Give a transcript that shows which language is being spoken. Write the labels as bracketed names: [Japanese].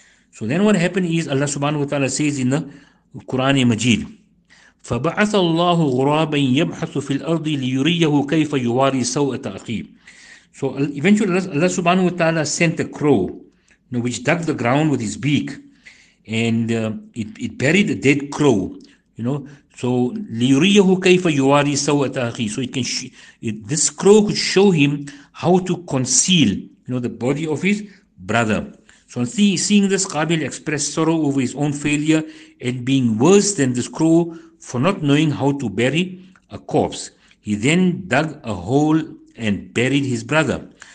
[English] So then what happened is, Allah subhanahu wa ta'ala says in the Quran Majid, [Arabic] فَبَعَثَ اللَّهُ غُرَابًا يَبْحَثُ فِي الْأَرْضِ لِيُرِيَّهُ كَيْفَ يُوَارِي سَوْءَةَ أَخِيهِ. [English] So eventually Allah subhanahu wa ta'ala sent a crow, you know, which dug the ground with his beak, and it buried a dead crow, you know, [Arabic] ليريه كيف يواري سوءة أخيه. [English] So it can sh it, this crow could show him how to conceal, you know, the body of his brother. So seeing this, Qabil expressed sorrow over his own failure and being worse than this crow for not knowing how to bury a corpse. He then dug a hole and buried his brother.